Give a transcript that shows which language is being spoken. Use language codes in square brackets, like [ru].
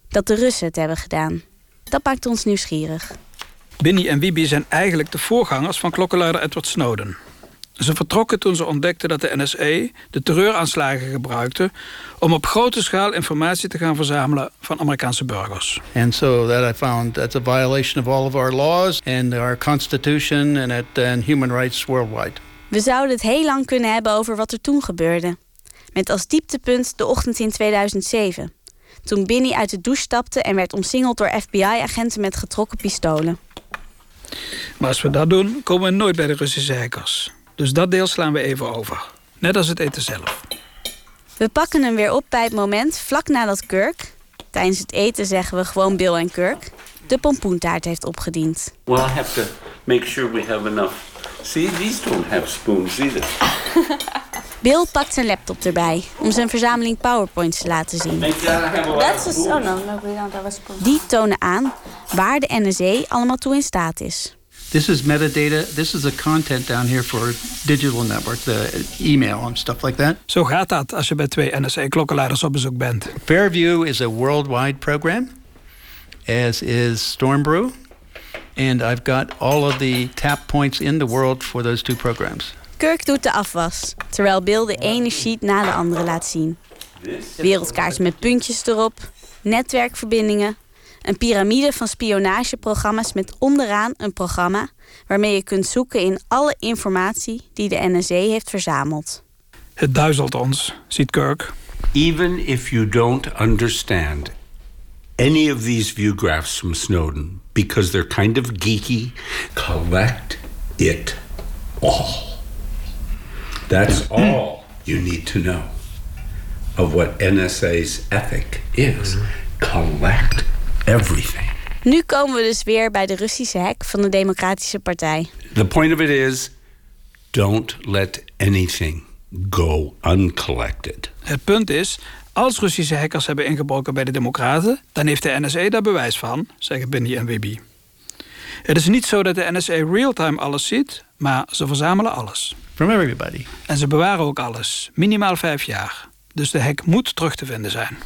[nl] Dat de Russen het hebben gedaan. Dat maakt ons nieuwsgierig. Binnie en Wiebe zijn eigenlijk de voorgangers van klokkenluider Edward Snowden. Ze vertrokken toen ze ontdekten dat de NSA de terreuraanslagen gebruikte om op grote schaal informatie te gaan verzamelen van Amerikaanse burgers. [en] And so that I found that's a violation of all of our laws and our constitution and human rights worldwide. [nl] We zouden het heel lang kunnen hebben over wat er toen gebeurde. Met als dieptepunt de ochtend in 2007. Toen Binnie uit de douche stapte en werd omsingeld door FBI-agenten met getrokken pistolen. Maar als we dat doen, komen we nooit bij de Russische hackers. Dus dat deel slaan we even over. Net als het eten zelf. We pakken hem weer op bij het moment vlak nadat Kirk, tijdens het eten zeggen we gewoon Bill en Kirk, de pompoentaart heeft opgediend. [en] Well, I have to make sure we have enough. See, these don't have spoons either. [nl] Bill pakt zijn laptop erbij om zijn verzameling PowerPoints te laten zien. [en] That's a spoon. Oh no, we don't have a spoon. [nl] Die tonen aan waar de NSA allemaal toe in staat is. [en] This is metadata. This is the content down here for digital network, the email and stuff like that. [nl] Zo gaat dat als je bij twee NSA-klokkenluiders op bezoek bent. [en] Fairview is a worldwide program, as is Stormbrew. And I've got all of the tap points in the world for those two programs. [nl] Kirk doet de afwas, terwijl Bill de ene sheet na de andere laat zien. Wereldkaarten met puntjes erop, netwerkverbindingen, een piramide van spionageprogramma's met onderaan een programma waarmee je kunt zoeken in alle informatie die de NSA heeft verzameld. Het duizelt ons, ziet Kirk. [en] Even if you don't understand any of these view graphs from Snowden, because they're kind of geeky, collect it all. That's all you need to know of what NSA's ethic is. Collect everything. [nl] Nu komen we dus weer bij de Russische hack van de Democratische Partij. [en] The point of it is, don't let anything go uncollected. [nl] Het punt is, als Russische hackers hebben ingebroken bij de Democraten, dan heeft de NSA daar bewijs van, zeggen Binney en Wiebe. Het is niet zo dat de NSA real-time alles ziet, maar ze verzamelen alles. [en] From everybody. [nl] En ze bewaren ook alles, minimaal 5 jaar. Dus de hack moet terug te vinden zijn.